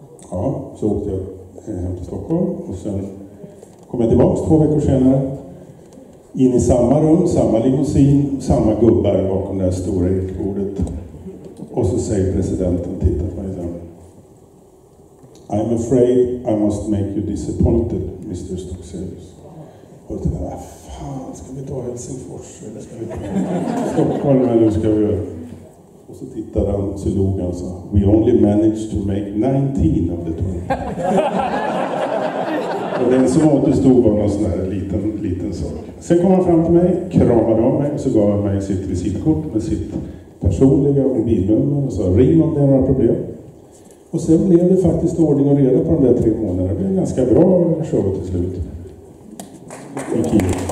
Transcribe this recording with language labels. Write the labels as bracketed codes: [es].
[sv] Ja, så åkte jag hem till Stockholm. Och sen kom jag tillbaka 2 veckor senare. In i samma rum, samma limousin, samma gubbar bakom det stora ekbordet. Och så säger presidenten, titta på mig där. [en] I'm afraid I must make you disappointed, Mr. Stokserius. [sv] Och då tänkte jag, fan, ska vi ta Helsingfors eller ska vi ta Stockholm eller hur ska vi göra? Och så tittade han och så log han så. [en] We only managed to make 19 of the 20. [sv] Och den som återstod var någon sån här liten sak. Sen kom han fram till mig, kramade av mig och så gav han mig sitt visitkort med sitt personliga mobilnummer och sa, ring om det är några problem. Och sen blev det faktiskt ordning och reda på de där 3 månaderna. Det blev ganska bra show till slut. I Kiev.